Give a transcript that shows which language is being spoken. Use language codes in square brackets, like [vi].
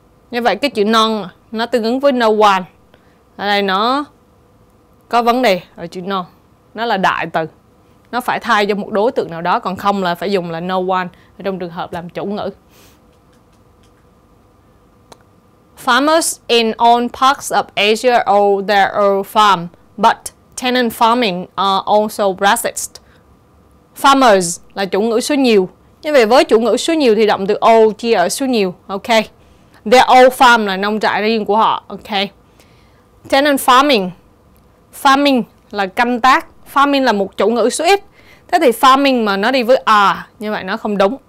[vi] Như vậy cái chữ non nó tương ứng với no one. Ở đây nó có vấn đề ở chữ non. Nó là đại từ. Nó phải thay cho một đối tượng nào đó. Còn không là phải dùng là no one ở trong trường hợp làm chủ ngữ. [en] Farmers in all parts of Asia own their own farm. But tenant farming are also racist. [vi] Farmers là chủ ngữ số nhiều. Như vậy với chủ ngữ số nhiều thì động từ own chia ở số nhiều. Ok. [en] Their own farm [vi] là nông trại riêng của họ. Ok. Tenant farming. Farming là canh tác. Farming là một chủ ngữ số ít. Thế thì farming mà nó đi với are, như vậy nó không đúng.